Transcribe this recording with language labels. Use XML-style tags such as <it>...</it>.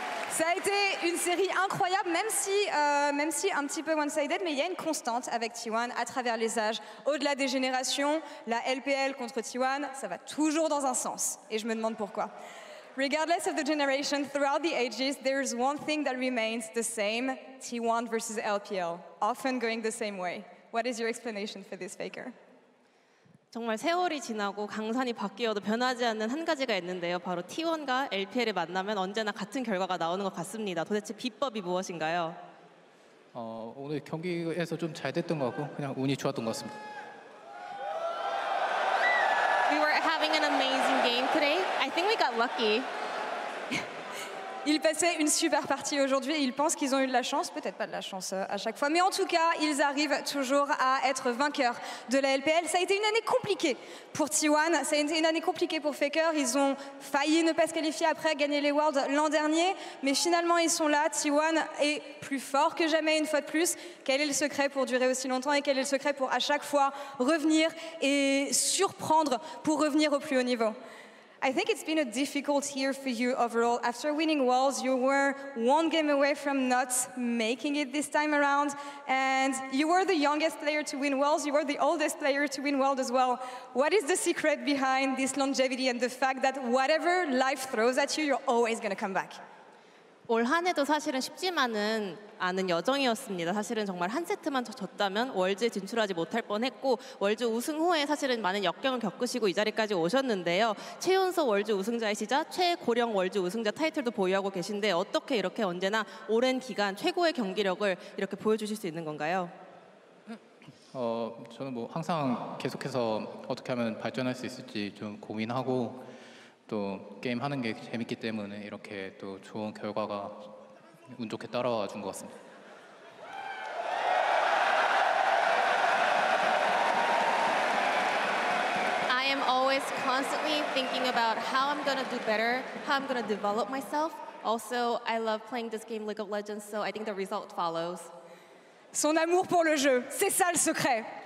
<fr>Ça a été une série incroyable, même si un petit peu one-sided, mais il y a une constante avec T1 à travers les âges. Au-delà des générations, la LPL contre T1, ça va toujours dans un sens. Et je me demande pourquoi.</fr> <en>Regardless of the generation, throughout the ages, there is one thing that remains the same, T1 versus LPL, often going the same way. What is your explanation for this, Faker?</en> <ko>정말 세월이 지나고 강산이 바뀌어도 변하지 않는 한 가지가 있는데요. 바로 T1과 LPL이 만나면 언제나 같은 결과가 나오는 것 같습니다. 도대체 비법이 무엇인가요? 오늘 경기에서 좀 잘 됐던 것 같고 그냥 운이 좋았던 것 같습니다.</ko> <en>We were having an amazing game today. I think we got lucky.</en> <fr>Ils passaient une super partie aujourd'hui et ils pensent qu'ils ont eu de la chance, peut-être pas de la chance à chaque fois, mais en tout cas, ils arrivent toujours à être vainqueurs de la LPL. Ça a été une année compliquée pour T1, ça a été une année compliquée pour Faker. Ils ont failli ne pas se qualifier après gagner les Worlds l'an dernier, mais finalement ils sont là. T1 est plus fort que jamais une fois de plus. Quel est le secret pour durer aussi longtemps et quel est le secret pour à chaque fois revenir et surprendre pour revenir au plus haut niveau?</fr> <en>I think it's been a difficult year for you overall. After winning Worlds, you were one game away from not making it this time around. And you were the youngest player to win Worlds. You were the oldest player to win Worlds as well. What is the secret behind this longevity and the fact that whatever life throws at you, you're always going to come back?</en> <ko>올 한 해도 사실은 쉽지만은 않은 여정이었습니다. 사실은 정말 한 세트만 졌다면 월즈에 진출하지 못할 뻔했고 월즈 우승 후에 사실은 많은 역경을 겪으시고 이 자리까지 오셨는데요. 최연소 월즈 우승자이시자 최고령 월즈 우승자 타이틀도 보유하고 계신데 어떻게 이렇게 언제나 오랜 기간 최고의 경기력을 이렇게 보여주실 수 있는 건가요? 저는 뭐 항상 계속해서 어떻게 하면 발전할 수 있을지 좀 고민하고 또 게임 하는 게 재밌기 때문에 이렇게 또 좋은 결과가 운 좋게 따라와 준 것 같습니다.</ko> <en>I am always constantly thinking about how I'm gonna do better, how I'm gonna develop myself. Also, I love playing this game League of Legends, so I think the result follows.</en> <fr>Son amour pour le jeu, c'est ça le secret.</fr>